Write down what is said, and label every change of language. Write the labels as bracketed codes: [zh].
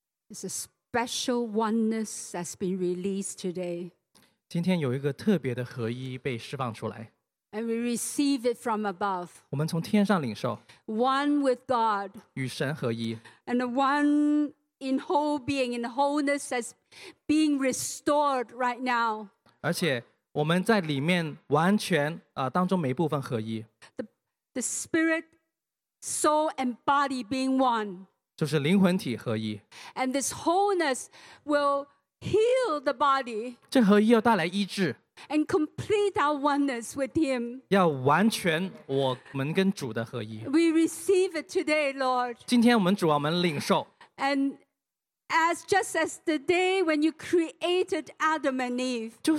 [en] It's a special oneness that's been released today. [zh] 今天有一个特别的合一被释放出来。 [en] And we receive it from above. [zh] 我们从天上领受。 [en] One with God. [zh] 与神合一。 [en] And the one in whole being, in wholeness that's being restored right now. [zh] 而且我们在里面完全当中每一部分合一。 [en] The spirit, soul, and body being one. [zh] 就是灵魂体合一。 [en] And this wholeness will heal the body. [zh] 这合一要带来医治。 [en] And complete our oneness with Him. [zh] 要完全我们跟主的合一。 [en] We receive it today, Lord. [zh] 今天我们主啊，我们领受。 [en] And as just as the day when you created Adam and Eve.